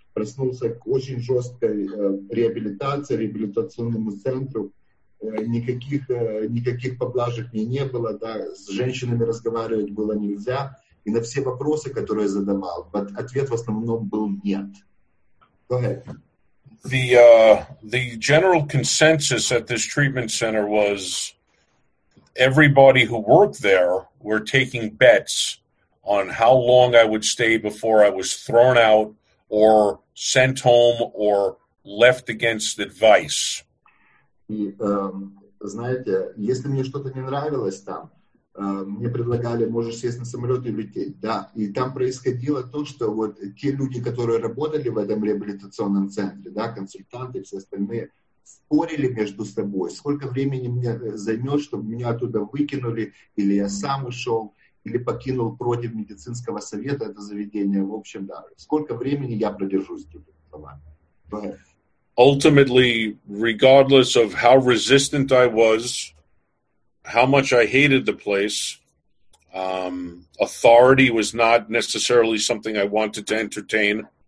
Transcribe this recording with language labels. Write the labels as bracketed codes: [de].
[ru] Проснулся к очень жесткой реабилитации, реабилитационному центру, никаких поблажек мне не было, да, с женщинами разговаривать было нельзя, и на все вопросы, которые я задавал, ответ в основном был нет. [en] The general consensus at this treatment center was everybody who worked there were taking bets on how long I would stay before I was thrown out or sent home or left against advice. [ru] И, знаете, если мне что-то не нравилось там, мне предлагали, можешь сесть на самолет и лететь, да. И там происходило то, что вот те люди, которые работали в этом реабилитационном центре, да, консультанты, все остальные, спорили между собой, сколько времени мне займет, чтобы меня оттуда выкинули, или я сам ушел, или покинул против медицинского совета это заведение, в общем, да. Сколько времени я продержусь тут, словами. [en] Ultimately, regardless of how resistant I was, how much I hated the place. Authority was not necessarily something I wanted to entertain.